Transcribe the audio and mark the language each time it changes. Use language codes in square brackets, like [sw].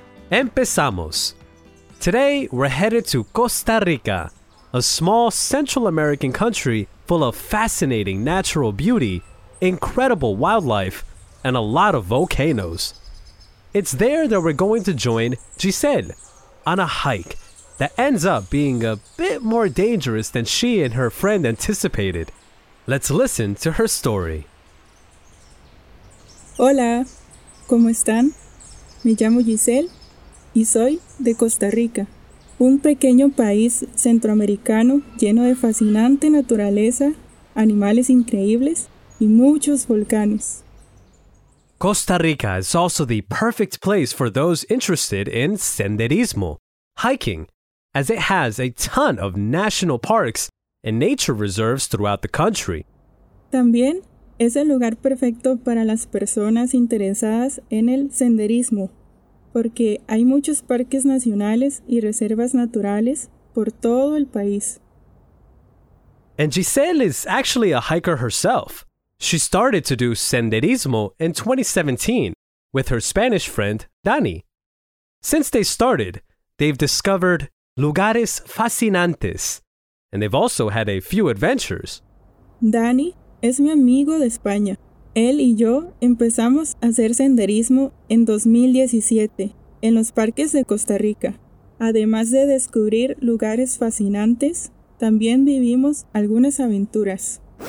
[es] Empezamos. [en] Today, we're headed to Costa Rica, a small Central American country full of fascinating natural beauty, incredible wildlife, and a lot of volcanoes. It's there that we're going to join Giselle on a hike that ends up being a bit more dangerous than she and her friend anticipated. Let's listen to her story. [es] Hola, ¿cómo están? Me llamo Giselle y soy de Costa Rica, un pequeño país centroamericano lleno de fascinante naturaleza, animales increíbles y muchos volcanes. [en] Costa Rica is also the perfect place for those interested in senderismo, hiking, as it has a ton of national parks and nature reserves throughout the country. [es] También es el lugar perfecto para las personas interesadas en el senderismo, porque hay muchos parques nacionales y reservas naturales por todo el país. [en] And Giselle is actually a hiker herself. She started to do senderismo in 2017 with her Spanish friend, Dani. Since they started, they've discovered [es] lugares fascinantes, [en] and they've also had a few adventures. [es] Dani es mi amigo de España. Él y yo empezamos a hacer senderismo en 2017 en los parques de Costa Rica. Además de descubrir lugares fascinantes, también vivimos algunas aventuras.